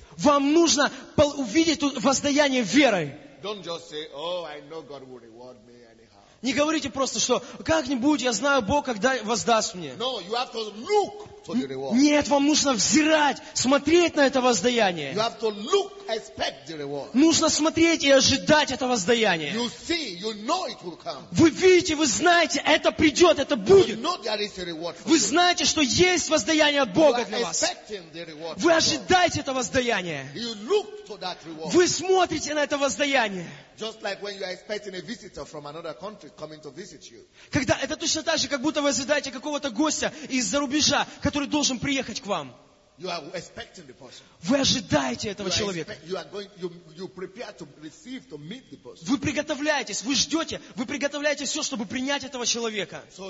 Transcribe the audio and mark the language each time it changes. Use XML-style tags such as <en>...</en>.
<ru>Вам нужно увидеть воздаяние верой.</ru> <en>Don't just say, oh, I know God will reward me anyhow.</en> <ru>Не говорите просто, что как-нибудь я знаю, Бог когда воздаст мне.</ru> <en>No, you have to look to the reward.</en> <ru>Нет, вам нужно взирать, смотреть на это воздаяние.</ru> <en>You have to look, expect the reward.</en> <ru>Нужно смотреть и ожидать это воздаяние.</ru> <en>You see, you know it will come.</en> <ru>Вы видите, вы знаете, это придет, это будет.</ru> <en>You know there is a reward for</en> <ru>вы знаете, что есть воздаяние от Бога</ru> <en>you are</en> <ru>для вас.</ru> <en>Expecting the reward</en> <ru>вы ожидаете это воздаяние.</ru> <en>You look to that reward.</en> <ru>Вы смотрите на это воздаяние.</ru> <en>Just like when you are expecting a visitor from another country coming to visit you.</en> <ru>Когда это точно так же, как будто вы ожидаете какого-то гостя из-за рубежа, который должен приехать к вам.</ru> <en>You are expecting the person.</en> <ru>Вы ожидаете этого человека. Вы приготовляетесь, вы ждете, вы приготовляете все, чтобы принять этого человека.</ru>